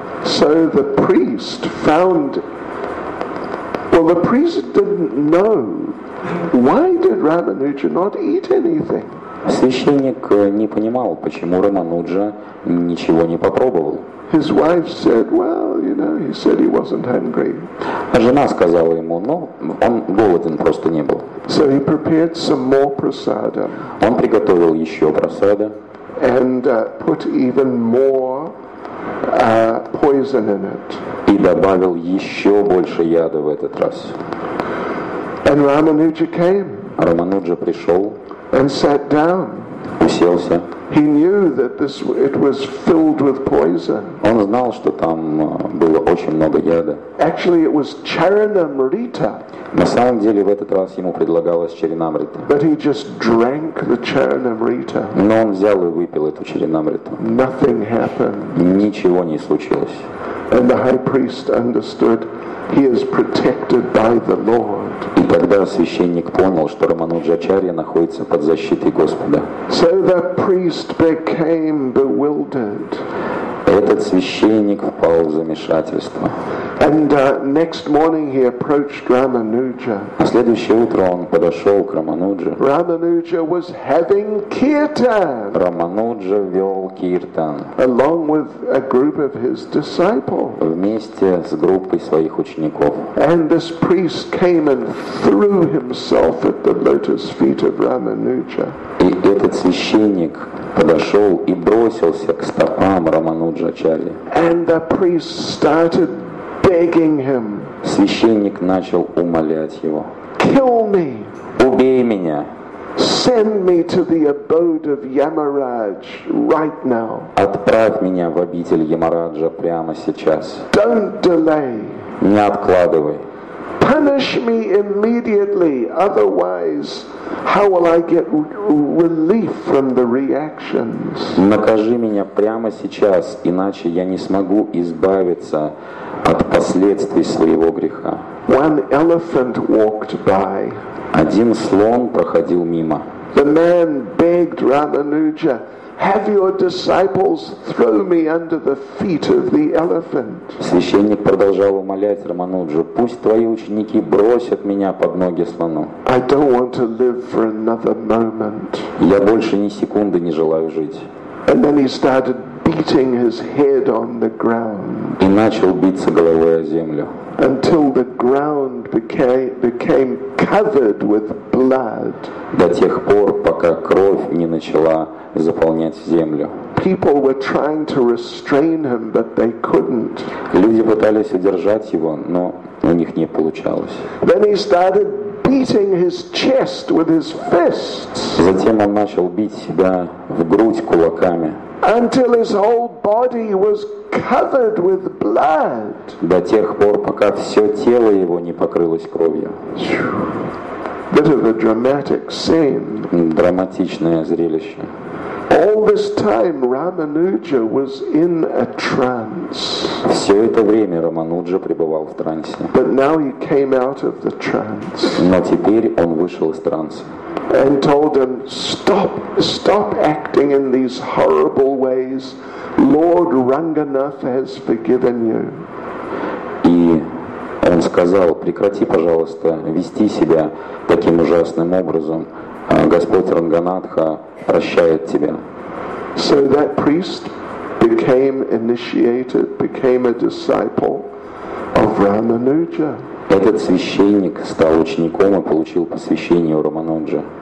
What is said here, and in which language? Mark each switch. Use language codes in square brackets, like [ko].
[en] So the priest found, well, the priest didn't know, why did Ramanuja not eat anything? [ru] Священник не понимал, почему Рамануджа ничего не попробовал. [en] His wife said, well, you know, he said he wasn't hungry. [ru] Жена сказала ему, ну, он голоден просто не был. [en] So he prepared some more prasada. [ru] Он приготовил еще просада. [en] And put even more poison in it. [ru] И добавил еще больше яда в этот раз. [en] And Ramanuja came. [ru] Рамануджа пришел. [en] And sat down. [ru] Уселся. [en] He knew that this it was filled with poison. [ru] Он знал, что там было очень много яда. [en] Actually, it was charanamrita. [ru] На самом деле в этот раз ему предлагалось чаринамрита. [en] But he just drank the charanamrita. [ru] Но он взял и выпил эту чаринамриту. [en] Nothing happened. [ru] Ничего не случилось. [en] And the high priest understood. He is protected by the Lord. [ru] И тогда священник понял, что Рамануджа Ачарья находится под защитой Господа. [en] So the priest became bewildered. [ru] Этот священник впал в замешательство. [en] And next morning he approached Ramanuja. [ru] На следующее утро он подошел к Рамануджа. [en] Ramanuja was having kirtan. [ru] Рамануджа вел киртан. [en] Along with a group of his disciples. [ru] Вместе с группой своих учеников. [en] And this priest came and threw himself at the lotus feet of Ramanuja. [ru] И этот священник подошел и бросился к стопам Рамануджа Ачарьи. [en] And the priest started begging him. [ru] Священник начал умолять его. [en] Kill me. [ru] Убей меня. [en] Send me to the abode of Yamaraj right now. [ru] Отправь меня в обитель Ямараджа прямо сейчас. [en] Don't delay. [ru] Не откладывай. [en] Punish me immediately, otherwise, how will I get relief from the reactions? [ru] Накажи меня прямо сейчас, иначе я не смогу избавиться от последствий своего греха. [en] One elephant walked by. [ru] Один слон проходил мимо. [en] The man begged Ramanuja, Have your disciples throw me under the feet of the elephant. [ru] Священник продолжал умолять Рамануджу: пусть твои ученики бросят меня под ноги слону. [en] I don't want to live for another moment. [ru] Я больше ни секунды не желаю жить. [en] And then he started beating his head on the ground. [ru] И начал биться головой о землю. [en] Until the ground became covered with blood. [ru] До тех пор, пока кровь не начала заполнять землю. [en] People were trying to restrain him, but they couldn't. [ru] Люди пытались удержать его, но у них не получалось. [en] Then he started beating his chest with his fists. [ru] Затем он начал бить себя в грудь кулаками. [en] Until his whole body was covered with blood. [ru] До тех пор, пока все тело его не покрылось кровью. [en] Bit of a dramatic scene. [ru] Драматичное зрелище. [en] All this time Ramanuja was in a trance. [ru] Все это время Рамануджа пребывал в трансе. [en] But now he came out of the trance. [ru] Но теперь он вышел из транса. [en] And told him, stop acting in these horrible ways. Lord Ranganath has forgiven you. [ru] И он сказал: прекрати, пожалуйста, вести себя таким ужасным образом. Господь Ранганатха прощает тебя. [en] So that priest became initiated, became a disciple of Ramanuja. [ru] Этот священник стал учеником и получил посвящение у Рамануджи.